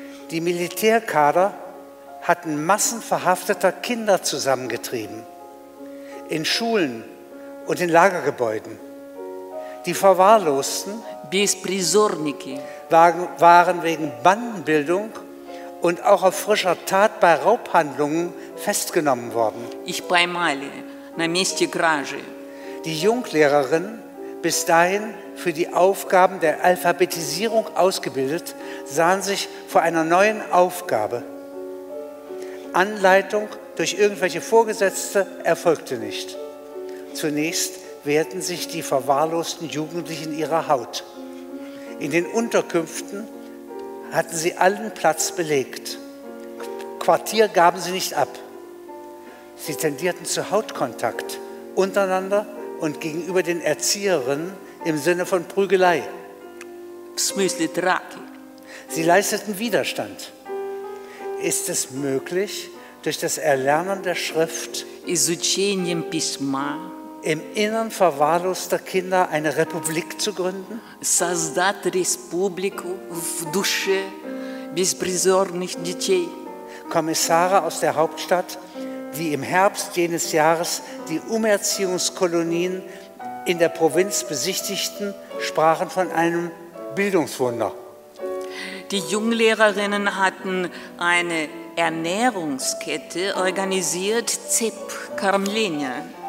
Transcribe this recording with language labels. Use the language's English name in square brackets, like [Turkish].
[German] Die Militärkader hatten Massen verhafteter Kinder zusammengetrieben. In Schulen und in Lagergebäuden. Die Verwahrlosten waren wegen Bandenbildung und auch auf frischer Tat bei Raubhandlungen festgenommen worden. Ich [Russian] поймали на месте кражи. [German] Die Junglehrerinnen, bis dahin für die Aufgaben der Alphabetisierung ausgebildet, sahen sich vor einer neuen Aufgabe. Anleitung durch irgendwelche Vorgesetzte erfolgte nicht. Zunächst wehrten sich die verwahrlosten Jugendlichen ihrer Haut. In den Unterkünften hatten sie allen Platz belegt. Quartier gaben sie nicht ab. Sie tendierten zu Hautkontakt untereinander und gegenüber den Erzieherinnen im Sinne von Prügelei. Sie leisteten Widerstand. Ist es möglich, durch das Erlernen der Schrift, [Russian] изучением письма, [German] im Innern verwahrloster Kinder eine Republik zu gründen? [Russian] Создать республику в душе беспризорных детей. [German] Kommissare aus der Hauptstadt, die im Herbst jenes Jahres die Umerziehungskolonien in der Provinz besichtigten, sprachen von einem Bildungswunder. Die Junglehrerinnen hatten eine Ernährungskette organisiert, ЦЕПКОРМЛЕНИЕ.